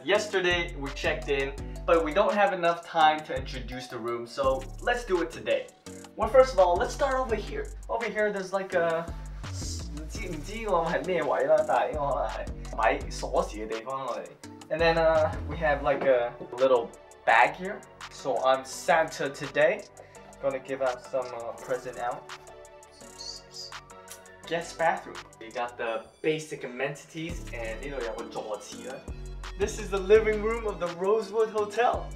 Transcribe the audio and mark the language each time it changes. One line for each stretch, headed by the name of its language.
English: Yesterday, we checked in, but we don't have enough time to introduce the room, so let's do it today. Well, first of all, let's start over here. Over here, there's like a...
Chinese: 不知道我是什么位置,但应该是买锁匙的地方来。
English: And then we have like a little bag here. So I'm Santa today. Gonna give out some present out. Guest bathroom. We got the basic amenities and you know you have a door. This is the living room of the Rosewood Hotel.